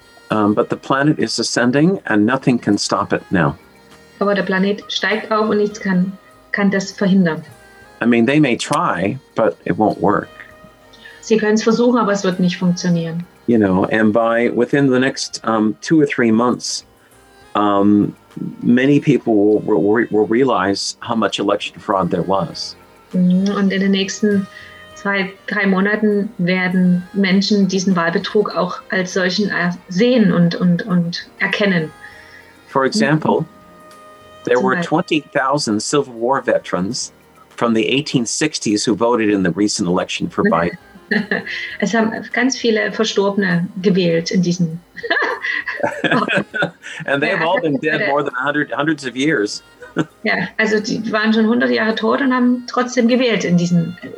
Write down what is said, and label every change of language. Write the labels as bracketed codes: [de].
[en] But the planet is ascending and nothing can stop it now. [de] Aber der Planet steigt auf und nichts kann das verhindern. [en] I mean, they may try, but it won't work. [de] Sie können es versuchen, aber es wird nicht funktionieren. [en] You know, and by within the next 2 or 3 months, many people will realize how much election fraud there was. [de] Und in den nächsten 2-3 Monaten werden Menschen diesen Wahlbetrug auch als solchen sehen und erkennen. [en] For example, there were 20,000 Civil War veterans from the 1860s who voted in the recent election for Biden. [de] Es haben ganz viele Verstorbene gewählt in diesem. [en] And they've all been dead more than hundreds of years. [de] Ja, also die waren schon 100 Jahre tot und haben trotzdem gewählt in diesem.